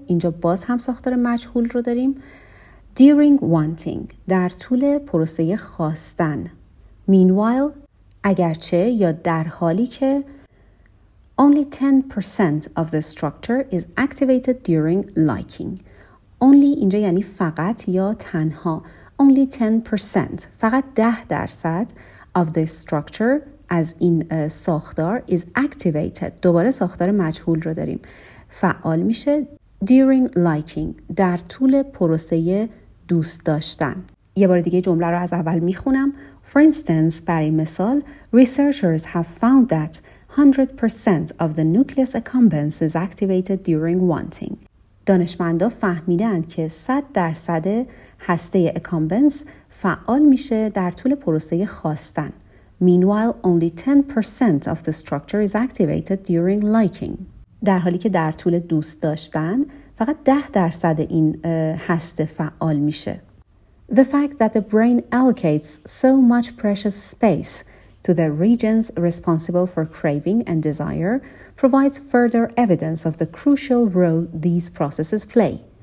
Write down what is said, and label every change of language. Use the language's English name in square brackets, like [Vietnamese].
[Persian] اینجا باز هم ساختار مجهول رو داریم. [English] During wanting [Persian] در طول پروسه خواستن. Meanwhile اگرچه یا در حالی که. [English] Only 10% of the structure is activated during liking. [Persian] Only اینجا یعنی فقط یا تنها. Only 10%. [English] فقط 10% of the structure [Persian] از این ساختار [English] is activated. [Persian] دوباره ساختار مجهول رو داریم. فعال میشه [English] during liking. [Persian] در طول پروسه دوست داشتن. یه بار دیگه جمله رو از اول میخونم. [English] For instance, [Persian] برای مثال, [English] researchers have found that 100% of the nucleus accumbens is activated during wanting. [Persian] دانشمندا فهمیدند که 100% هسته accumbens فعال میشه در طول پروسه خواستن. [English] Meanwhile, only 10% of the structure is activated during liking. [Persian] در حالی که در طول دوست داشتن فقط 10% این هسته فعال میشه. [English] The fact that the brain allocates so much precious space to the regions responsible for craving and desire provides further evidence of the crucial role these processes play.